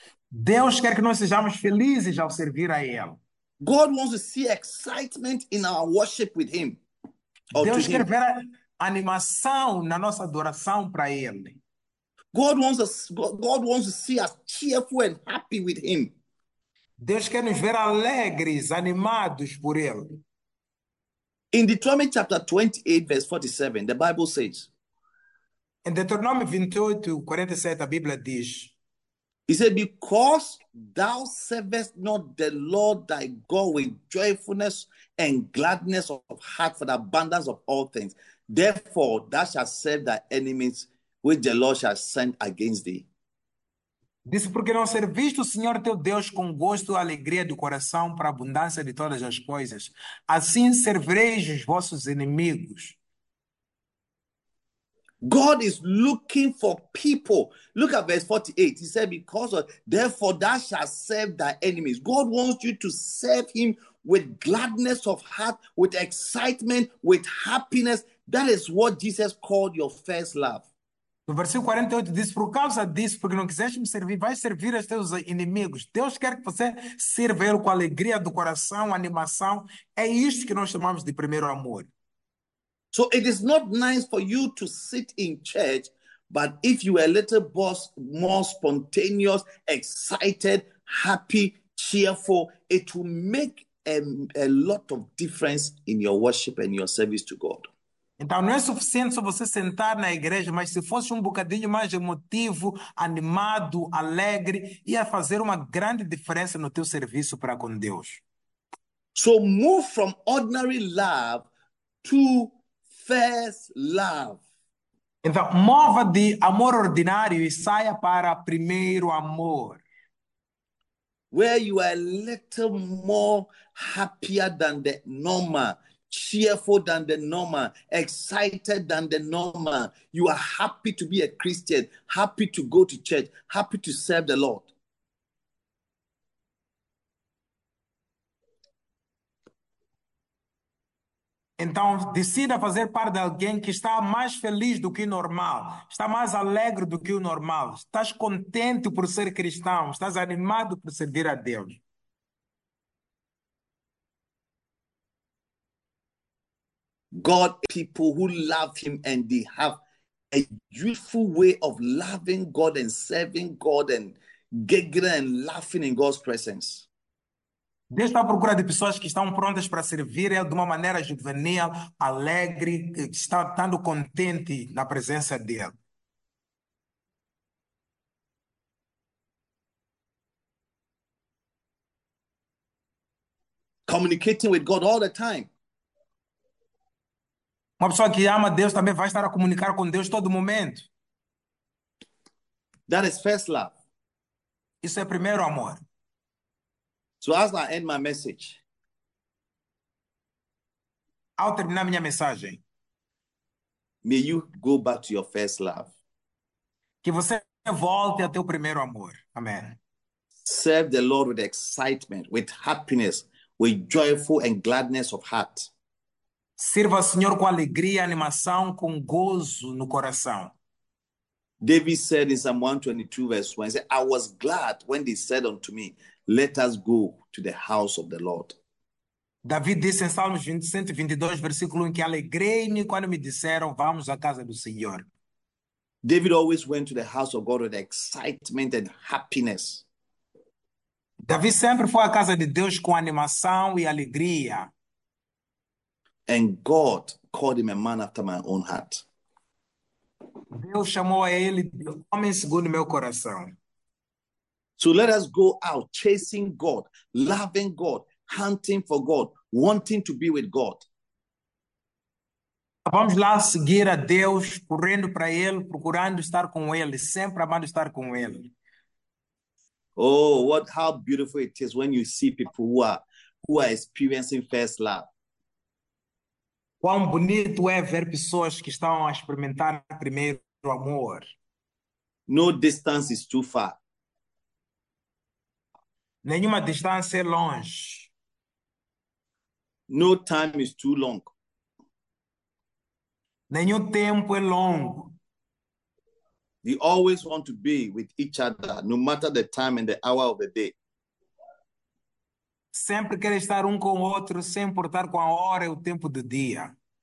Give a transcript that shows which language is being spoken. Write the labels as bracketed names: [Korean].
[Portuguese] Deus quer que nós sejamos felizes ao servir a ele. [English] God wants to see excitement in our worship with him or to [Portuguese] Deus quer [English] him. [Portuguese] ver a animação na nossa adoração para ele. [English] God wants to see us cheerful and happy with him. [Portuguese] Deus quer nos ver alegres, animados por Ele. [English] In Deuteronomy chapter 28, verse 47, the Bible says, [Portuguese] Em Deuteronômio 28, 47, a Bíblia diz: [English] He said, Because thou servest not the Lord thy God with joyfulness and gladness of heart for the abundance of all things, therefore thou shalt serve thy enemies, which the Lord shall send against thee. [Portuguese] Disse, porque não serviste o Senhor teu Deus com gosto e alegria do coração para a abundância de todas as coisas. Assim servireis os vossos inimigos. [English] God is looking for people. Look at verse 48. He said, Because of, therefore, thou shalt serve thy enemies. God wants you to serve him with gladness of heart, with excitement, with happiness. That is what Jesus called your first love. [Portuguese] No versículo 48 diz: Por causa disso, porque não quiseste me servir, vais servir aos teus inimigos. Deus quer que você sirva ele com alegria do coração, animação. É isso que nós chamamos de primeiro amor. [English] So it is not nice for you to sit in church, but if you are a little more spontaneous, excited, happy, cheerful, it will make a lot of difference in your worship and your service to God. [Portuguese] Então, não é suficiente só você sentar na igreja, mas se fosse um bocadinho mais emotivo, animado, alegre, ia fazer uma grande diferença no teu serviço para com Deus. [English] So move from ordinary love to first love. [Portuguese] Então, mova de amor ordinário e saia para primeiro amor. [English] Where you are a little more happier than the normal, cheerful than the normal, excited than the normal. You are happy to be a Christian, happy to go to church, happy to serve the Lord. [Portuguese] Então, decida fazer parte de alguém que está mais feliz do que o normal, está mais alegre do que o normal, estás contente por ser cristão, estás animado por servir a Deus. [English] God, people who love him and they have a useful way of loving God and serving God and giggling and laughing in God's presence. [Portuguese] Deus está à procura de pessoas que estão prontas para servir Ele de uma maneira juvenil, alegre, estando contente na presença dEle. [English] Communicating with God all the time. [Portuguese] Uma pessoa que ama Deus também vai estar a comunicar com Deus todo momento. [English] That is first love. [Portuguese] Isso é primeiro amor. [English] So as I end my message, [Portuguese] Ao terminar minha mensagem, [English] may you go back to your first love. [Portuguese] que você volte ao teu primeiro amor. Amém. [English] Serve the Lord with excitement, with happiness, with joyful and gladness of heart. [Portuguese] Sirva ao Senhor com alegria, animação, com gozo no coração. [English] David said in Psalm 122, verse 1, he said, I was glad when they said unto me, Let us go to the house of the Lord. [Portuguese] David disse em Salmos 20, 122, versículo 1, que alegrei-me quando me disseram, vamos à casa do Senhor. [English] David always went to the house of God with excitement and happiness. [Portuguese] Davi sempre foi à casa de Deus com animação e alegria. [English] And God called him a man after my own heart. [Portuguese] Deus chamou a ele de homem segundo meu coração. [English] So let us go out chasing God, loving God, hunting for God, wanting to be with God. [Portuguese] Vamos lá seguir a Deus, correndo para Ele, procurando estar com Ele, sempre amando estar com Ele. [English] Oh, what how beautiful it is when you see people who are experiencing first love. [Portuguese] Quão bonito é ver pessoas que estão a experimentar primeiro o amor. [English] No distance is too far. [Portuguese] Nenhuma distância é longe. [English] No time is too long. [Portuguese] Nenhum tempo é longo. [English] They always want to be with each other, no matter the time and the hour of the day. [Portuguese] Sempre quer estar um com o outro, sem importar com a hora e o tempo do dia.